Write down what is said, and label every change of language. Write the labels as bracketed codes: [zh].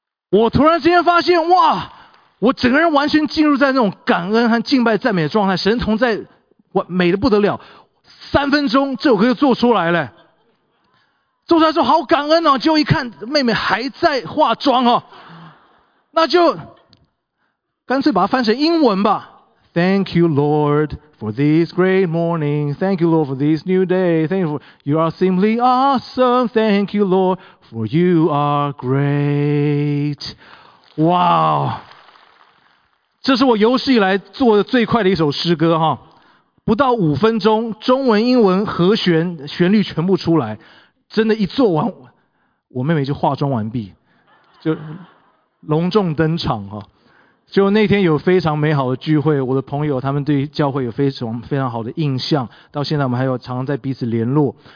[zh] 我突然之间发现哇，我整个人完全进入在那种感恩和敬拜赞美的状态，神同在，美得不得了。 3分钟这首歌就做出来了，做出来说好感恩结果一看妹妹还在化妆那就干脆把它翻成英文吧。 [en] Thank you, Lord, for this great morning. Thank you, Lord, for this new day. Thank you, you are simply awesome. Thank you, Lord, for you are great. Wow! [zh] 这是我有史以来做的最快的一首诗歌不到5分钟，中文、英文、和弦、旋律全部出来。真的一做完，我妹妹就化妆完毕，就隆重登场就那天有非常美好的聚会，我的朋友他们对教会有非常非常好的印象，到现在我们还有常常在彼此联络。